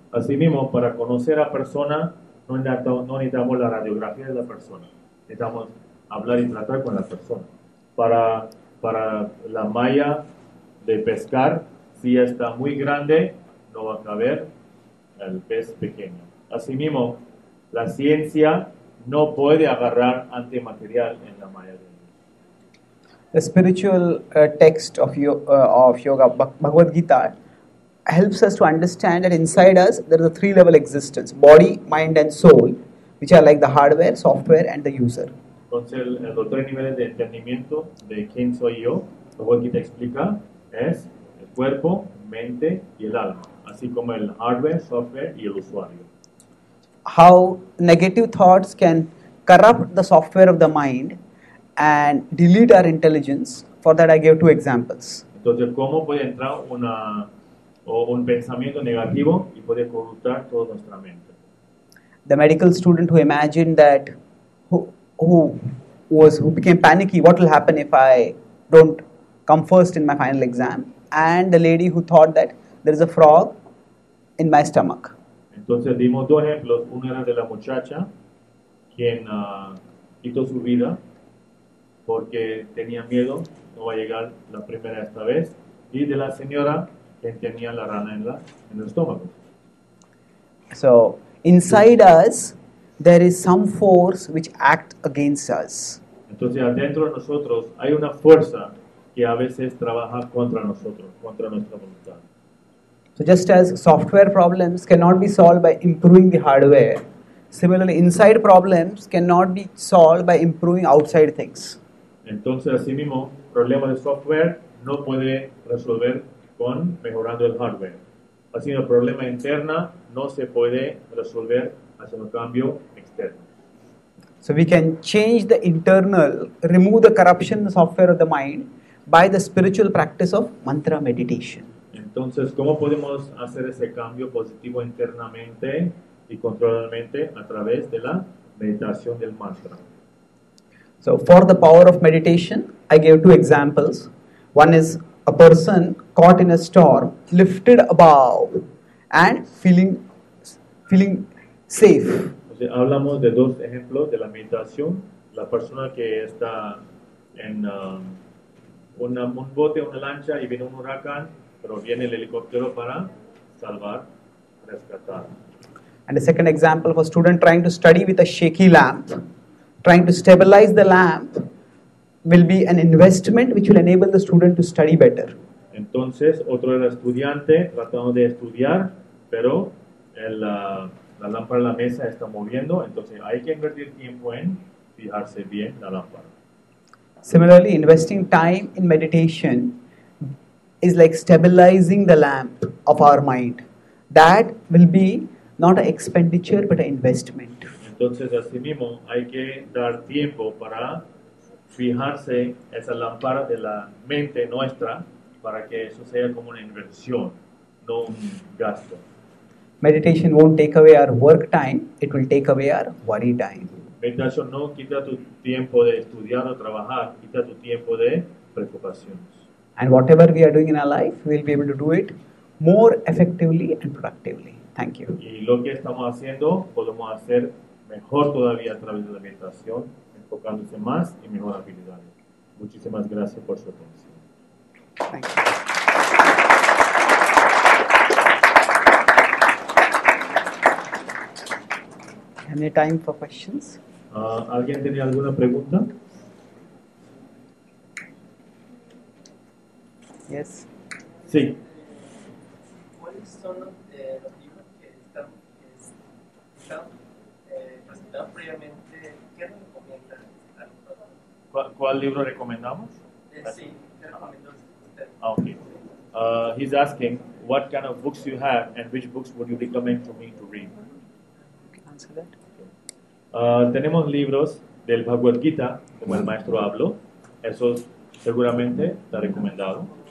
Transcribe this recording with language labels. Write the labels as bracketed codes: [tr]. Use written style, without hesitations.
[es] Asimismo, para conocer a persona, no necesitamos la radiografía de la persona. Necesitamos hablar y tratar con la persona. Para la malla de pescar, si está muy grande, no va a caber el pez pequeño. Asimismo, la ciencia no puede agarrar antimaterial en la malla de Dios. [en] The spiritual text of yoga, Bhagavad Gita, helps us to understand that inside us, there is a three-level existence, body, mind and soul, which are like the hardware, software and the user. [es] Entonces, los tres niveles de entendimiento de quién soy yo, lo que te explica es el cuerpo, mente y el alma, así como el hardware, software y el usuario. [en] How negative thoughts can corrupt the software of the mind and delete our intelligence, for that I gave two examples. [es] Entonces, ¿cómo puede entrar un pensamiento negativo y puede corruptar toda nuestra mente? [en] The medical student who imagined that who became panicky, what will happen if I don't come first in my final exam, and the lady who thought that there is a frog in my stomach. [es] Entonces dimos dos ejemplos. Uno era de la muchacha quien quitó su vida porque tenía miedo, no va a llegar la primera esta vez, y de la señora quien tenía la rana en el estómago. [en] So inside us there is some force which acts against us. [es] Entonces adentro de nosotros hay una fuerza que a veces trabaja contra nosotros, contra nuestra voluntad. [en] So just as software problems cannot be solved by improving the hardware, similarly inside problems cannot be solved by improving outside things. [es] Entonces asimismo, problemas de software no puede resolver con mejorando el hardware. Así el problema interna no se puede resolver haciendo cambio externo. [en] So we can change the internal, remove the corruption in the software of the mind by the spiritual practice of mantra meditation. [es] Entonces, ¿cómo podemos hacer ese cambio positivo internamente y controladamente a través de la meditación del mantra? [en] So, for the power of meditation, I gave two examples. One is a person caught in a storm, lifted above and feeling safe. [es] Entonces, hablamos de dos ejemplos de la meditación. La persona que está en un bote, una lancha y viene un huracán, pero viene el helicóptero para salvar, rescatar. [en] And the second example of a student trying to study with a shaky lamp, trying to stabilize the lamp, will be an investment which will enable the student to study better. [es] Entonces, otro era estudiante tratando de estudiar, pero la lámpara en la mesa está moviendo, entonces hay que invertir tiempo en fijarse bien la lámpara. [en] Similarly, investing time in meditation is like stabilizing the lamp of our mind. That will be not an expenditure but an investment. [es] Entonces, así mismo, hay que dar tiempo para fijarse esa lámpara de la mente nuestra para que eso sea como una inversión, no un gasto. [en] Meditation won't take away our work time, it will take away our worry time. [es] Meditación no quita tu tiempo de estudiar o trabajar, quita tu tiempo de preocupaciones. [en] And whatever we are doing in our life, we'll be able to do it more effectively and productively. Thank you. [es] Y lo que estamos haciendo, podemos hacer mejor todavía a través de la meditación, enfocándose más y mejor habilidades. Muchísimas gracias por su atención. [en] Thank you. Any time for questions? [es] ¿Alguien tiene alguna pregunta? [en] Yes. [es] Sí. ¿Cuáles son los libros que están previamente? ¿Qué recomiendan? ¿Cuál libro recomendamos? Sí, recomiendo. [en] Ah, okay. He's asking, what kind of books you have and which books would you recommend for me to read? Can you answer that? [es] Tenemos libros del Bhagavad Gita, como el maestro habló, eso seguramente está recomendado.